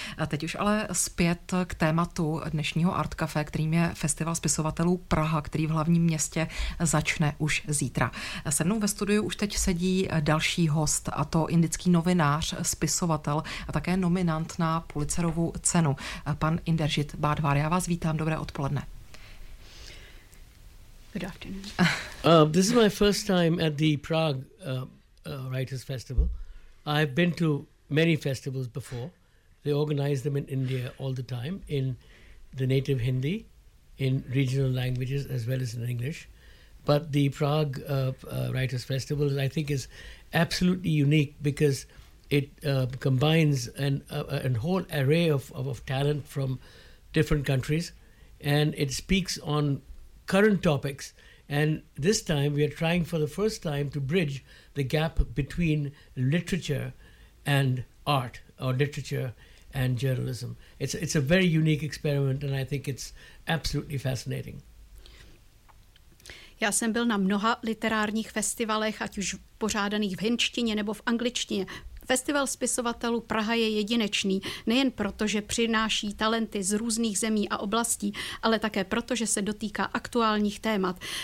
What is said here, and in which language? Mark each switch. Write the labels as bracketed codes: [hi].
[cs] A teď už ale zpět k tématu dnešního Art Café, kterým je Festival spisovatelů Praha, který v hlavním městě začne už zítra. Se mnou ve studiu už teď sedí další host, a to indický novinář, spisovatel a také nominant na Pulitzerovu cenu, pan Inderjit Bhadvar. Já vás vítám, dobré odpoledne. [en] Good afternoon. This is my first time at the Prague Writers Festival. I've been to many festivals before. They organize them in India all the time, in the native Hindi, in regional languages, as well as in English. But the Prague Writers Festival, I think, is absolutely unique because it combines an whole array of talent from different countries, and it speaks on current topics. And this time we are trying for the first time to bridge the gap between literature and art, or literature and journalism. It's a very unique experiment, and I think it's absolutely fascinating. [cs] Já jsem byl na mnoha literárních festivalech, ať už pořádaných v hinštině nebo v angličtině. Festival spisovatelů Praha je jedinečný, nejen proto, že přináší talenty z různých zemí a oblastí, ale také proto, že se dotýká aktuálních témat.